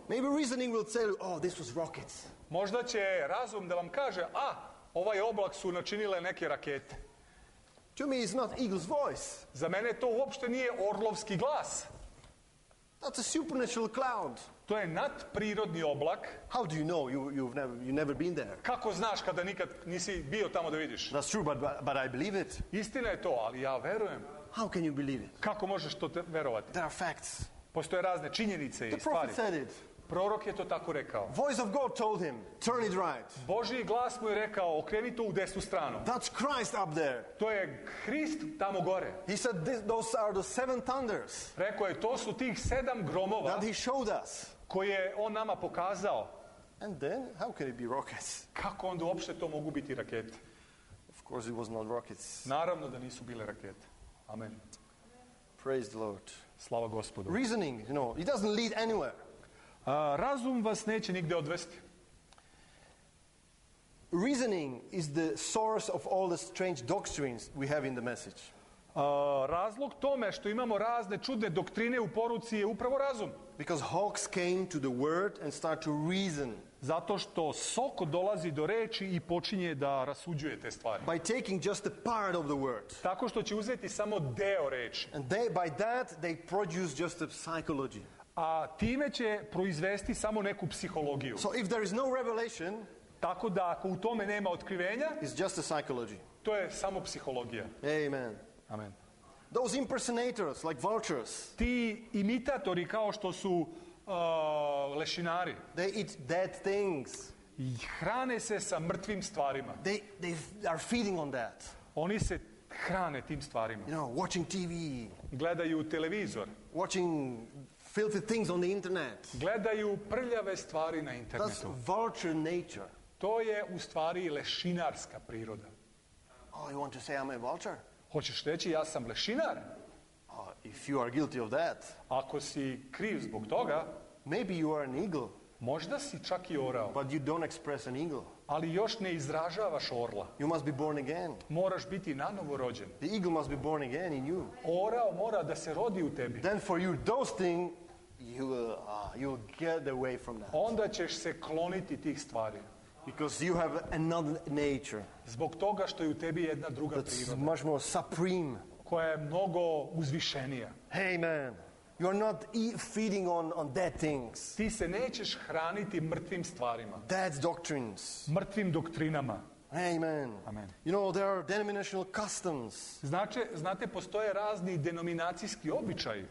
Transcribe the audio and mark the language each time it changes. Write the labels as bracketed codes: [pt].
[en] Maybe reasoning will tell you, oh, this was rockets. [sr] Možda će razum da vam kaže, a, ovaj oblak su načinile neke rakete. [en] To me is not eagle's voice. [sr] Za mene to uopšte nije orlovski glas. [en] That's a supernatural cloud. [sr] To je nadprirodni oblak. [en] How do you know? You've never been there. [sr] Kako znaš kada nikad nisi bio tamo da vidiš? [en] That's true, but I believe it. [sr] Istina je to, ali ja verujem. [en] How can you believe it? [sr] Kako možeš to verovati? [en] There are facts. [sr] Postoje razne činjenice i stvari. [en] The prophet said it. [sr] Prorok je to tako rekao. [en] Voice of God told him, turn it right. [sr] Božji glas mu je rekao, okreni to u desnu stranu. [en] That's Christ up there. [sr] To je Hrist tamo gore. [en] He said, those are the seven thunders. [sr] Rekao je, to su tih sedam gromova. [en] That he showed us. [sr] Koje on nama pokazao. [en] And then, how can it be rockets? [sr] Kako onda uopšte to mogu biti rakete? [en] Of course it was not rockets. [sr] Naravno da nisu bile rakete. Amen. [en] Praise the Lord. [sr] Slava Gospodu. [en] Reasoning, you know, it doesn't lead anywhere. [sr] Razum vas neće nigde odvesti. [en] Reasoning is the source of all the strange doctrines we have in the message. [sr] Razlog tome što imamo razne čudne doktrine u poruci je upravo razum. [en] Because Hawks came to the word and start to reason. [sr] Zato što Soko dolazi do reči i počinje da rasuđuje te stvari. [en] By taking just a part of the word. [sr] Tako što će uzeti samo deo reči. [en] And they, by that they produce just a psychology. [sr] A time će proizvesti samo neku psihologiju. [en] So if there is no revelation, [sr] tako da ako u tome nema otkrivenja, [en] it's just a psychology. [sr] To je samo psihologija. Amen. Amen. [en] Those impersonators like vultures. [sr] Ti imitatori kao što su lešinari. [en] They eat dead things. [sr] I hrane se sa mrtvim stvarima. [en] They are feeding on that. [sr] Oni se hrane tim stvarima. [en] You know, watching TV. [sr] Gledaju televizor. [en] Watching filthy things on the internet. [sr] Gledaju prljave stvari na internetu. [en] That's vulture nature. [sr] To je u stvari lešinarska priroda. [en] Oh, you want to say I'm a vulture? [sr] Hoćeš reći ja sam lešinar? [en] Oh, if you are guilty of that. [sr] Ako si kriv zbog toga, [en] maybe you are an eagle. [sr] Možda si čak i orao. [en] But you don't express an eagle. [sr] Ali još ne izražavaš orla. [en] You must be born again. [sr] Moraš biti nanovo rođen. [en] The eagle must be born again in you. [sr] Orao mora da se rodi u tebi. [en] Then for you those things, you will get away from that. [sr] Onda ćeš se kloniti tih stvari. [en] Because you have another nature. [sr] Zbog toga što je u tebi jedna druga [en] that's [sr] priroda. [en] Much more supreme. [sr] Koja je mnogo uzvišenija. [en] Hey man. You are not feeding on dead things. [sr] Ti se nećeš hraniti mrtvim stvarima. [en] Dead doctrines. [sr] Mrtvim doktrinama. Amen. Amen. [en] You know there are denominational customs. [sr] Znate postoje razni denominacijski običaji.